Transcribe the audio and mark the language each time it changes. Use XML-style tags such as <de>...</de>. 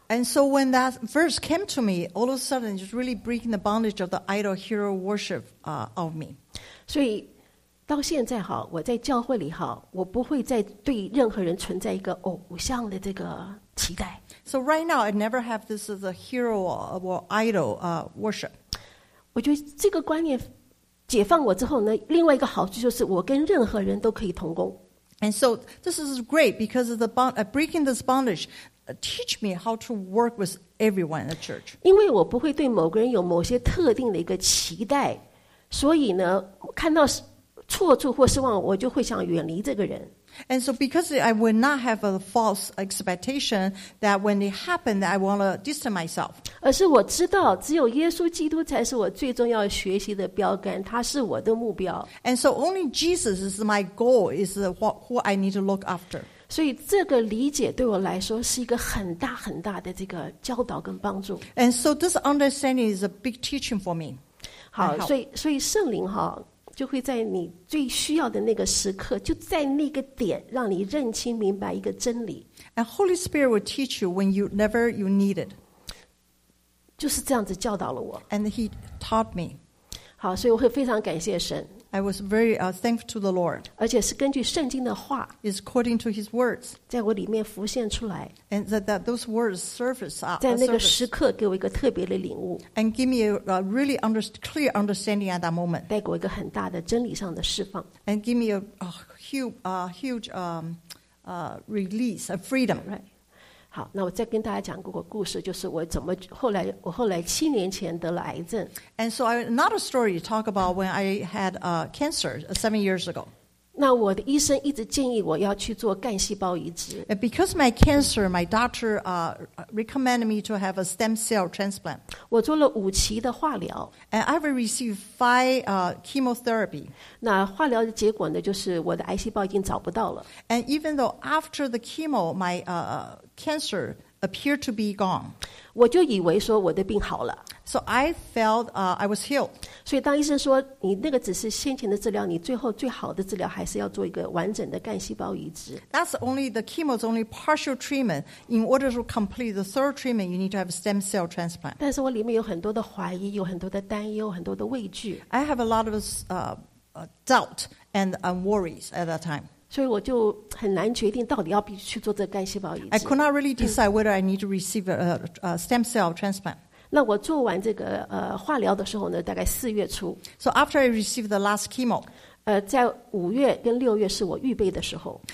<en>And so when that verse came to me, all of a sudden, just really breaking the bondage of the idol hero worship of me.</en> <zh>所以到现在哈，我在教会里哈，我不会再对任何人存在一个偶像的这个期待。</zh> <en>So right now, I never have this as a hero or idol worship.</en> <zh>我觉得这个观念解放我之后呢，另外一个好处就是我跟任何人都可以同工。</zh> <en>And so this is great because of the bond, breaking this bondage, teach me how to work with everyone in the church.</en> <zh>因为我不会对某个人有某些特定的一个期待，所以呢，看到错处或失望，我就会想远离这个人。</zh> <en>And so because I would not have a false expectation that when it happened, I want to distance myself.</en> <zh>而是我知道只有耶稣基督才是我最重要学习的标杆，他是我的目标。</zh> <en>And so only Jesus is my goal, is who I need to look after.</en> <zh>所以这个理解对我来说是一个很大很大的这个教导跟帮助。</zh> <en>And so this understanding is a big teaching for me.</en> <zh>好，所以圣灵哈。就会在你最需要的那个时刻，就在那个点，让你认清明白一个真理。</zh> <en>And Holy Spirit will teach you when you never you need it.</en> <zh>就是这样子教导了我。</zh> <en>And He taught me.</en> <zh>好，所以我会非常感谢神。</zh> <en>I was very thankful to the Lord.</en> <zh>而且是根据圣经的话。</zh> <en>Is according to His words.</en> <zh>在我里面浮现出来。</zh> <en>And that those words surface up.</en> <zh>在那个时刻给我一个特别的领悟。</zh> <en>And give me a really clear understanding at that moment.</en> <zh>带给我一个很大的真理上的释放。</zh> <en>And give me a huge release, a freedom. Right.</en> <zh>好，那我再跟大家讲个故事，就是我怎么后来七年前得了癌症。</zh> <en>And so another story to talk about when I had cancer 7 years ago.</en> <zh>那我的医生一直建议我要去做干细胞移植。</zh> <en>And because my cancer, my doctor recommended me to have a stem cell transplant.</en> <zh>我做了5期的化疗。</zh> <en>And I have received 5 chemotherapy.</en> <zh>那化疗的结果呢，就是我的癌细胞已经找不到了。</zh> <en>And even though after the chemo, my cancer appeared to be gone.</en> <zh>我就以为说我的病好了。</zh> <en>So I felt I was healed.</en> <zh>所以当医生说你那个只是先前的治疗，你最后最好的治疗还是要做一个完整的干细胞移植。</zh> <en>That's only the chemo is only partial treatment. In order to complete the third treatment, you need to have stem cell transplant.</en> <zh>但是我里面有很多的怀疑，有很多的担忧，很多的畏惧。</zh> <en>I have a lot of doubt and worries at that time.</en> <zh>所以我就很难决定到底要不要去做这个干细胞移植。</zh> <en>I could not really decide whether I need to receive a stem cell transplant.</en> <zh>那我做完这个化疗的时候呢，大概4月初。</zh> <en>So after I received the last chemo,</en> <zh>在5月跟6月是我预备的时候。</zh>